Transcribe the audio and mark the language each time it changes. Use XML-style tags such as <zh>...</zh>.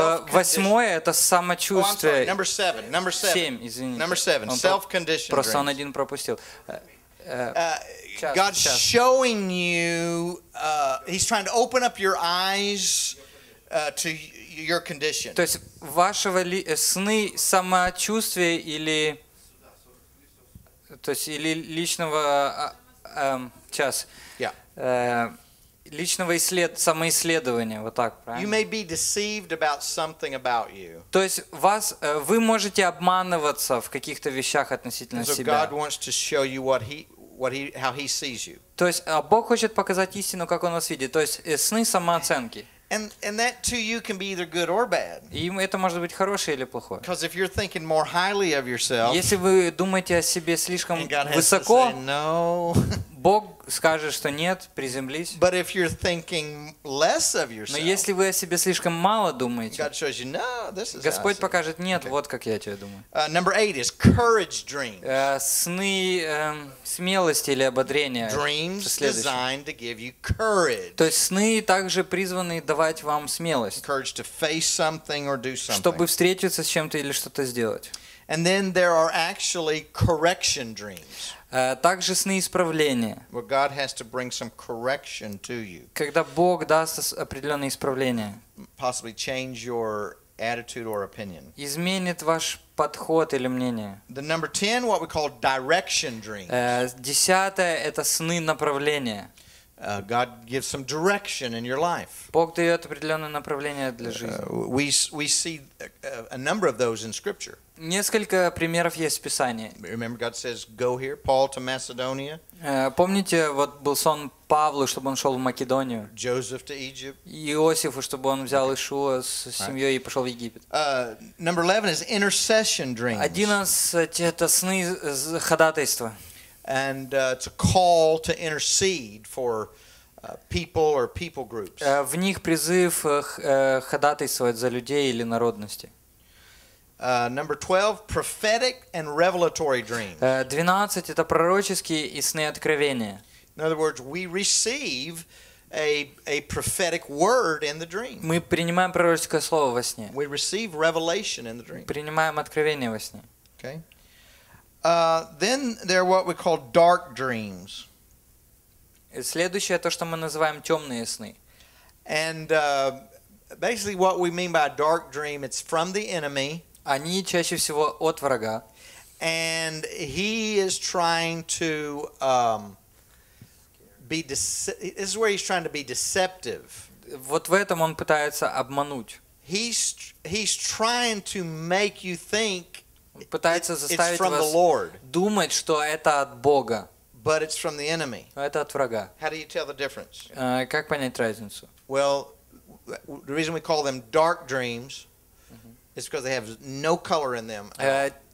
<ru>Восьмое это самочувствие.</ru> <en>Oh, number seven. Number seven.</en> <ru>Семь, извините.</ru> <en>Number seven. Self-conditioned dreams.</en> <ru>Просто он один пропустил.</ru> <en>God's showing you. He's trying to open up your eyes to your condition.</en> <ru>То есть вашего ли сны самочувствие или то есть или личного час yeah. Личного исслед самоисследования вот так правильно?</ru> <en>You may be deceived about something about you.</en> <ru>То есть вас вы можете обманываться в каких-то вещах относительно so себя.</ru> <en>God wants to show you what he how he sees you.</en> <ru>То есть Бог хочет показать истину, как он вас видит. То есть сны самооценки.</ru> <en>And that to you can be either good or bad.</en> <ru>И это может быть хорошее или плохое.</ru> <en>Because if you're thinking more highly of yourself,</en> <ru>если вы думаете о себе слишком высоко,</ru> <en>and God has to say no.</en> <ru>Бог скажет, что нет, приземлись.</ru> <en>But if you're thinking less of yourself,</en> <ru>но если вы о себе слишком мало думаете,</ru> <en>God shows you no, this is.</en> <ru>Господь покажет нет, okay. Вот как я тебе думаю.</ru> <en>Number eight is courage dreams.</en> <ru>Сны смелости или ободрения.</ru> <en>Dreams designed to give you courage.</en> <ru>То есть сны также призваны давать вам смелость.</ru> <en>Courage to face something or do something.</en> <ru>Чтобы встретиться с чем-то или что-то сделать.</ru> <en>And then there are actually correction dreams.</en> <ru>Также сны исправления.</ru> <en>Well, God has to bring some correction to you.</en> <ru>Когда Бог даст определенное исправление.</ru> <en>Possibly change your attitude or opinion.</en> <ru>Изменит ваш подход или мнение.</ru> <en>The number 10, what we call direction dreams.</en> <ru>Десятое это сны направления.</ru> <en>God gives some direction in your life.</en> <ru>Бог даёт определённое направление для жизни.</ru> <en>We see a number of those in scripture.</en> <ru>Несколько примеров есть в Писании.</ru> <en>Remember God says go here, Paul to Macedonia.</en> <ru>Помните, вот был сон Павлу, чтобы он шёл в Македонию.</ru> <en>Joseph to Egypt.</en> <ru>Иосифу, чтобы он взял Ишуа с семьёй и пошёл в Египет.</ru> <en>Number 11 is intercession dreams.</en> <ru>11 это сны ходатайства.</ru> <en>And it's a call to intercede for people or people groups.</en> <ru>В них призыв ходатайствовать за людей или народности.</ru> <en>Number 12, prophetic and revelatory dreams.</en> <ru>12 это пророческие и сны откровения.</ru> <en>In other words, we receive a prophetic word in the dream.</en> <ru>Мы принимаем пророческое слово во сне.</ru> <en>We receive revelation in the dream.</en> <ru>Принимаем откровение во сне. Okay.</ru> <en>Then there are what we call dark dreams.</en> <ru>Следующее то, что мы называем тёмные сны.</ru> <en>And basically what we mean by a dark dream, it's from the enemy.</en> <ru>Они чаще всего от врага.</ru> <en>And he is trying to this is where he's trying to be deceptive.</en> <ru>Вот в этом он пытается обмануть.</ru> <en>He's trying to make you think</en> <ru>пытается заставить вас думать, что это от Бога.</ru> <en>But it's from the enemy.</en> <ru>Это от врага.</ru> <en>How do you tell the difference?</en> <ru>Как понять разницу?</ru> <en>Well, the reason we call them dark dreams is because they have no color in them.</en>